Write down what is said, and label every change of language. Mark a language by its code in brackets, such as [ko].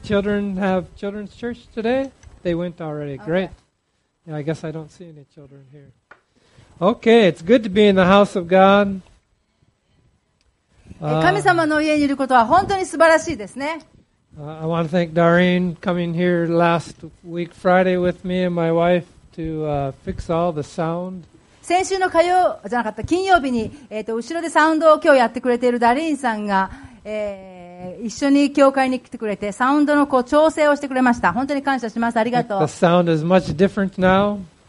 [en] Children have children's church today? They went already. Great. Yeah, I guess I don't see any children here. Okay, it's good to be in the house of God. [ja] 神様の家にいることは本当に素晴らしいですね。 [en] I want to thank Doreen coming here last week Friday with me and my wife to fix all the sound. [ja] 先週の火曜じゃなかった金曜日に、後ろでサウンドを今日やってくれているダリーンさんが、一緒に教会に来てくれてサウンドのこう調整をしてくれました。本当に感謝します。ありがとう。 [en] The sound is much different now.